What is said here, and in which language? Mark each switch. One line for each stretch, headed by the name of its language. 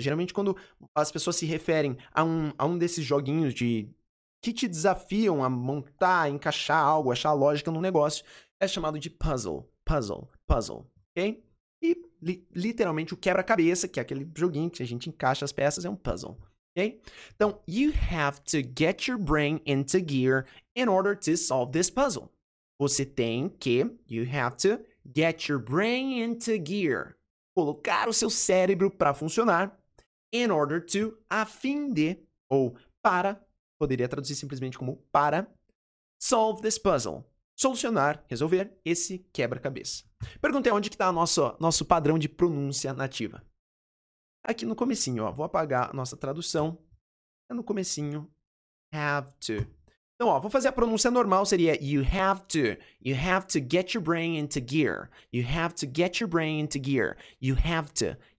Portuguese: Geralmente, quando as pessoas se referem a um desses joguinhos de que te desafiam a montar, encaixar algo, achar a lógica no negócio, é chamado de puzzle, ok? E, literalmente, o quebra-cabeça, que é aquele joguinho que a gente encaixa as peças, é um puzzle, ok?
English: Então, you have to get your brain into gear in order to solve this puzzle.
Portuguese: Você tem que,
English: you have to get your brain into gear.
Portuguese: Colocar o seu cérebro para funcionar,
English: in order to,
Portuguese: a fim de, ou para, poderia traduzir simplesmente como para,
English: solve this puzzle,
Portuguese: solucionar, resolver esse quebra-cabeça. Perguntei onde que está o nosso padrão de pronúncia nativa. Aqui no comecinho, ó, vou apagar a nossa tradução, é no comecinho, have to. Então, ó, vou fazer a pronúncia normal, seria
English: you have to get your brain into gear, you have to get your brain into gear, you have to.